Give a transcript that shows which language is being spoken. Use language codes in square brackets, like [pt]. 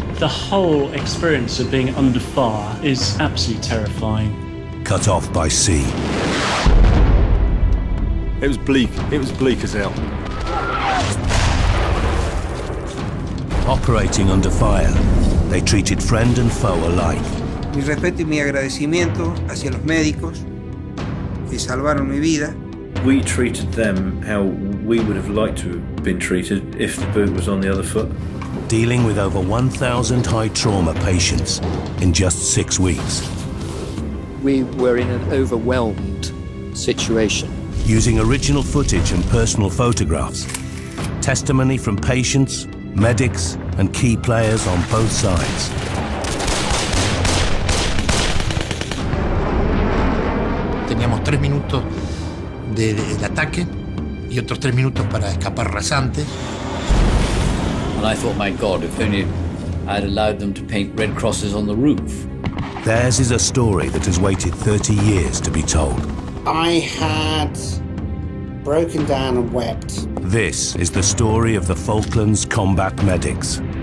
[en] The whole experience of being under fire is absolutely terrifying. Cut off by sea. It was bleak. It was bleak as hell. Operating under fire, they treated friend and foe alike. [es] Mi respeto y mi agradecimiento hacia los médicos que salvaron mi vida. [en] We treated them how we would have liked to have been treated if the boot was on the other foot. Dealing with over 1,000 high trauma patients in just 6 weeks. We were in an overwhelmed situation. Using original footage and personal photographs, testimony from patients, medics, and key players on both sides. [es] Teníamos 3 minutos de ataque y otros 3 minutos para escapar rasante. [en] And I thought, my God, if only I'd allowed them to paint red crosses on the roof. Theirs is a story that has waited 30 years to be told. I had broken down and wept. This is the story of the Falklands combat medics.